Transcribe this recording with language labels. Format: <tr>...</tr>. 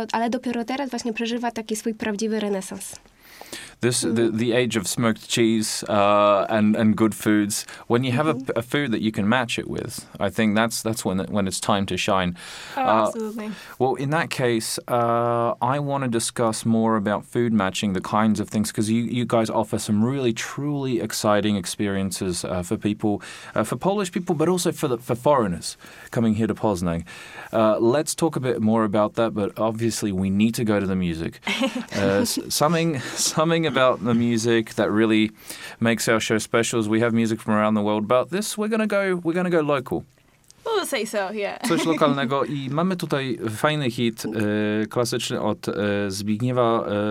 <pl>Dopiero teraz właśnie przeżywa taki swój prawdziwy renesans.</pl> <en>The age of smoked cheese and good foods. When you have a food that you can match it with, I think that's when it's time to shine. Oh, absolutely. Well, in that case, I want to discuss more about food matching, the kinds of things, because you guys offer some really truly exciting experiences for people, for Polish people, but also for foreigners coming here to Poznań. Let's talk a bit more about that. But obviously, we need to go to the music. Something about the music that really makes our show special is we have music from around the world. About this, we're gonna go local. We'll say so, yeah.</en> <pl>Coś lokalnego i mamy tutaj fajny hit klasyczny od Zbigniewa</pl>